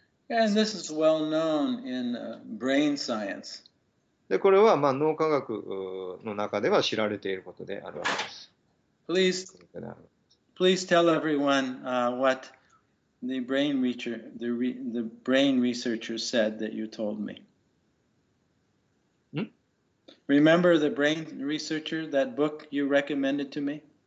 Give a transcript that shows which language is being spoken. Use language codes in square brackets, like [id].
[en] And this is well known in brain science. [ja] でこれはまあ脳科学の中では知られていることであるわけです。 [en] Please tell everyone what the brain researchers said that you told me. Remember the brain researcher, that book you recommended to me?